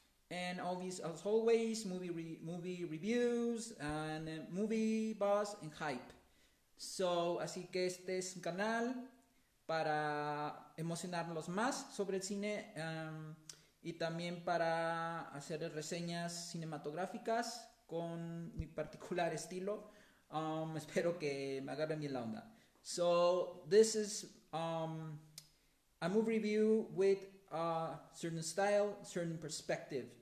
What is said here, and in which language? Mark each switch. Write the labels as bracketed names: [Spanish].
[English] And always, as always, movie reviews and movie buzz and hype. [Spanish] So, así que este es un canal para emocionarnos más sobre el cine y también para hacer reseñas cinematográficas con mi particular estilo. Espero que me agarren bien la onda. [English] So, this is a movie review with a certain style, certain perspective.